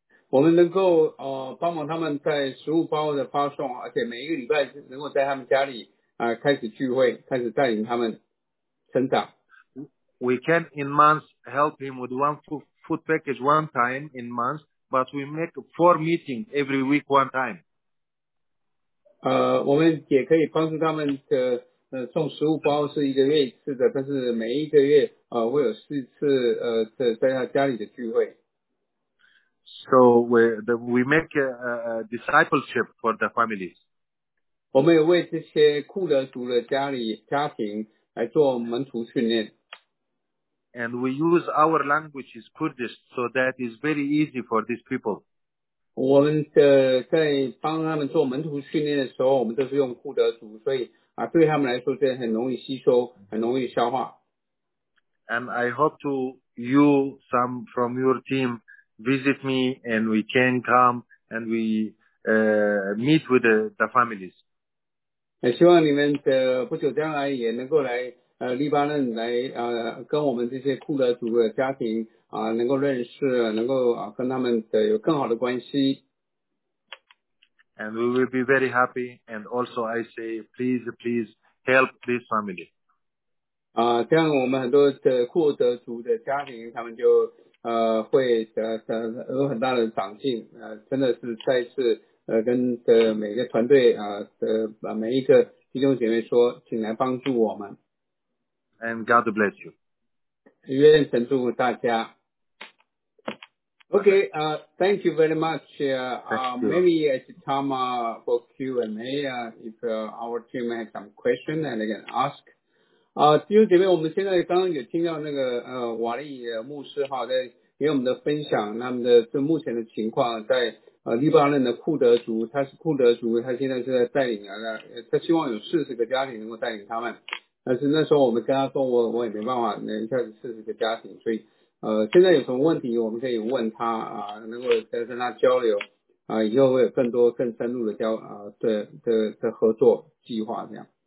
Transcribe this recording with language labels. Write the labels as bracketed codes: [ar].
[zh] 我们能够帮忙他们在食物包的发送，而且每一个礼拜能够在他们家里开始聚会，开始带领他们成长。 [en] We can in months help him with one food package one time in months, but we make 4 meetings every week one time. [zh] 我们也可以帮助他们送食物包是一个月一次的，但是每一个月会有4次在他家里的聚会。 [en] So we make a discipleship for the families. [zh] 我们也为这些库德族的家庭来做门徒训练。 [en] And we use our language is Kurdish, so that is very easy for these people. [zh] 我们在帮他们做门徒训练的时候，我们都是用库德族，所以对他们来说这很容易吸收，很容易消化。 [en] And I hope to you some from your team visit me and we can come and we meet with the families. [zh] 希望你们不久将来也能够来黎巴嫩来跟我们这些库德族的家庭能够认识，能够跟他们有更好的关系。 [en] And we will be very happy. And also, I say, please help this family. [zh] 这样我们很多的库德族的家庭，他们就会有很大的长进。真的是再次跟每个团队每一个弟兄姐妹说，请来帮助我们。 [en] And God bless you. [zh] 愿神祝福大家。 [en] Okay, thank you very much. Maybe it's time for Q&A if our team has some question and they can ask. [zh] 弟兄姐妹，我们现在刚刚有听到那个瓦利牧师哈在给我们的分享，那么的这目前的情况在黎巴嫩的库德族，他是库德族，他现在是在带领他希望有40个家庭能够带领他们。但是那时候我们跟他说我也没办法能一下子40个家庭，所以现在有什么问题我们可以问他能够再跟他交流以后会有更多更深入的的合作计划这样。